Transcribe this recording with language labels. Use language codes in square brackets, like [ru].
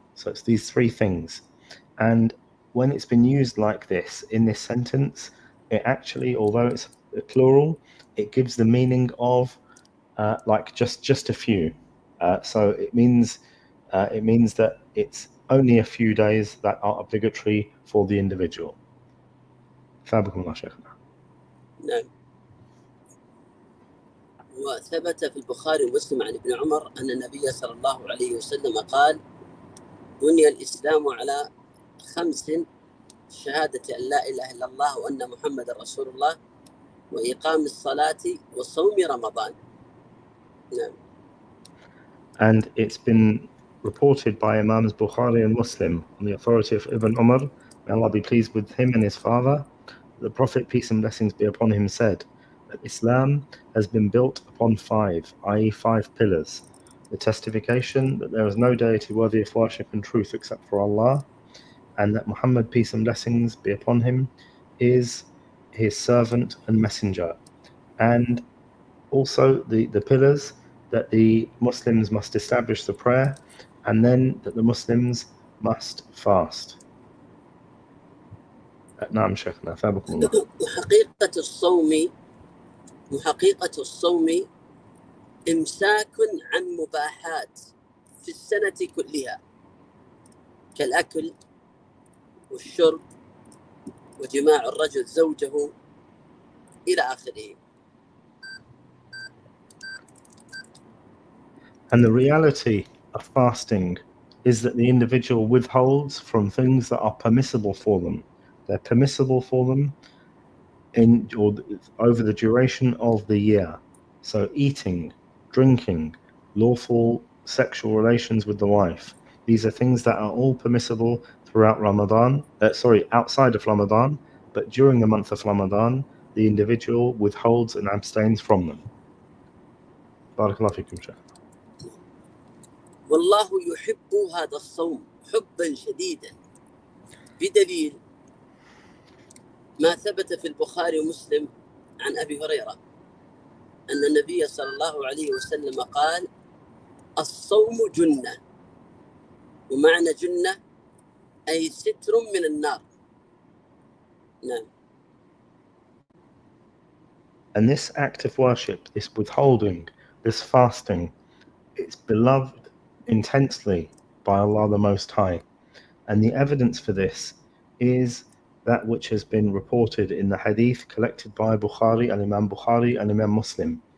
[en] So it's these three things. And when it's been used like this in this sentence, it actually, although it's a plural, it gives the meaning of like just a few. So it means that it's only a few days that are obligatory for the individual. [ar] فَابَكُمْ اللَّهُ شَيْخَنَا نعم وثبت في البخاري ومسلم عن ابن عمر أن النبي صلى الله عليه وسلم قال بني الإسلام على خمس شهادة أن لا إله إلا الله وأن محمد رسول الله وإقام الصلاة وصوم رمضان نعم [en] And it's been reported by Imams Bukhari and Muslim on the authority of Ibn Umar, may Allah be pleased with him and his father, the Prophet, peace and blessings be upon him, said that Islam has been built upon five, i.e. five pillars, the testification that there is no deity worthy of worship and truth except for Allah, and that Muhammad, peace and blessings be upon him, is his servant and messenger, and also the pillars that the Muslims must establish the prayer, and then that the Muslims must fast. [ar] نعم شيخنا فابكم الله. حقيقة الصوم وحقيقة الصوم إمساك عن مباحات في السنة كلها كالأكل والشرب وجماع الرجل زوجه إلى آخره. [en] And the reality of fasting is that the individual withholds from things that are permissible for them. They're permissible for them in or over the duration of the year. So eating, drinking, lawful sexual relations with the wife. These are things that are all permissible throughout Ramadan, outside of Ramadan, but during the month of Ramadan, the individual withholds and abstains from them. [ar] Barakallahu fikum, Shaykh. والله يحب هذا الصوم حبا شديدا بدليل ما ثبت في البخاري ومسلم عن أبي هريرة أن النبي صلى الله عليه وسلم قال الصوم جنة ومعنى جنة أي ستر من النار نعم [en] And this act of worship, this withholding, this fasting, it's beloved intensely by Allah the Most High. And the evidence for this is that which has been reported in the hadith collected by Bukhari, Al-Imam Bukhari and Imam Muslim.